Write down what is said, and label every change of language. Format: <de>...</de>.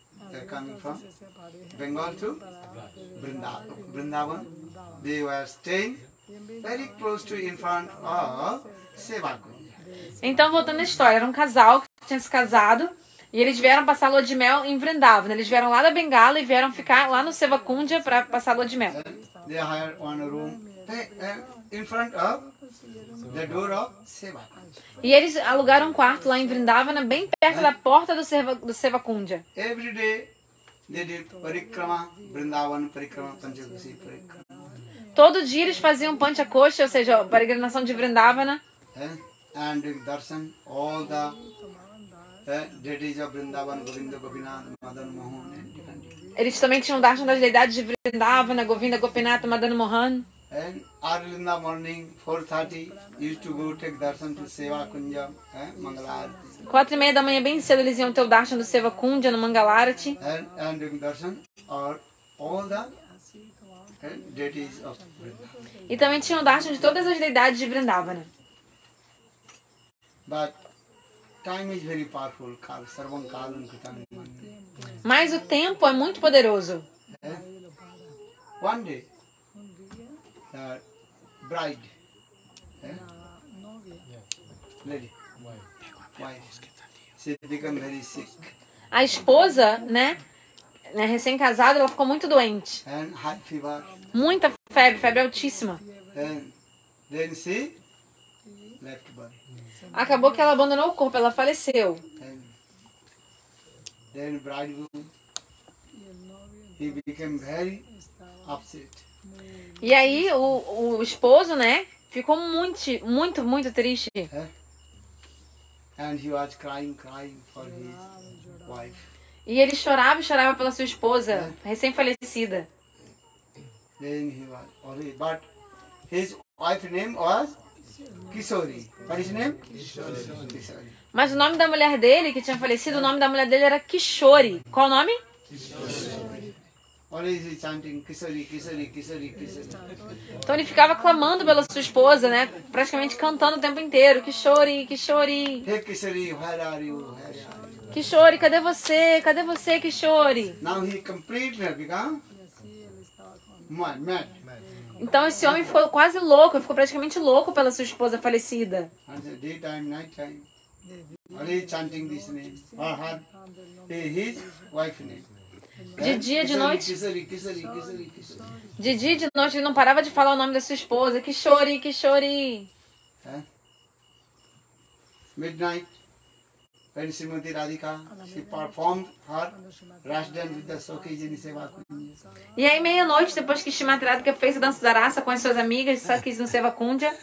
<en>They're coming from Bengal to Vrindavan. They were staying very close to in front of Sevagunya.</en> <pt>Então, voltando à história, era um casal que tinha se casado. E eles vieram passar a lua de mel em Vrindavan. Eles vieram lá da Bengala e vieram ficar lá no Sevakundia para passar a lua de mel.</pt> <en>They hired one room in front of the door of Sevakundia.</en> <pt>E eles alugaram um quarto lá em Vrindavan, bem perto da porta do Sevakundia.</pt> <en>Every day they did parikrama, Vrindavan parikrama, Panchakoshi parikrama.</en> <pt>Todo dia eles faziam panchakoshi, ou seja, a peregrinação de Vrindavan.</pt> <en>And doing darshan, all the deities of Vrindavan, Govinda, Gopinath, Madan Mohan,</en> <pt>eles também tinham darshan das deidades de Vrindavan, Govinda, Gopinath, Madan Mohan.</pt> <en>And early in the morning, 4:30, used to go take darshan to Sevakundia, Mangalarati.</en> <pt>4:30 da manhã, bem cedo, eles iam ter o darshan do Sevakundia no Mangalarati.</pt> <en>And doing darshan are all the deities of Vrindavan.</en> <pt>E também tinham darshan de todas as deidades de Vrindavan.</pt> <en>But Time is very powerful.</en> <sa>Sarvam kalam kritam.</sa> <pt>Mas o tempo é muito poderoso.</pt> <en>Yeah. One day, the bride, lady, wife, she became very sick.</en> <pt>A esposa, né, recém-casada, ela ficou muito doente.</pt> <en>And high fever.</en> <pt>Muita febre, febre altíssima.</pt> <en>And then she left body.</en> <pt>Acabou que ela abandonou o corpo, ela faleceu.</pt> <en>And then bridegroom, he became very upset.</en> <pt>E aí o esposo, né, ficou muito, muito, muito triste.</pt> <en>And he was crying for his wife.</en> <pt>E ele chorava pela sua esposa, recém-falecida.</pt> <en>Then he was only, but his wife's name was Kishori. What is his name? Kishori.</en> <pt>Mas o nome da mulher dele, que tinha falecido, o nome da mulher dele era Kishori. Qual o nome?</pt> <en>Kishori. Always chanting Kishori, Kishori, Kishori, Kishori.</en> <pt>Então ele ficava clamando pela sua esposa, né? Praticamente cantando o tempo inteiro. Kishori, Kishori.</pt> <en>Hey Kishori, where are you?</en> <pt>Kishori, cadê você? Cadê você, Kishori?</pt> <en>Now he completely become mad.</en> <pt>Então esse homem ficou quase louco, ficou praticamente louco pela sua esposa falecida.</pt> <en>Daytime, nighttime. Only chanting this name. Or her, his wife name.</en> <pt>De dia e de noite. Kishori, Kishori, Kishori, Kishori. De dia e de noite ele não parava de falar o nome da sua esposa. Kishori, Kishori.</pt> <en>Midnight. When Srimati Radhika, she performed her Rasa dance with the Sakhis in Seva Kunja.</en> <pt>E aí, meia-noite, depois que Srimati Radhika fez a dança da raça com as suas amigas, Sakhis no Seva Kunja.</pt>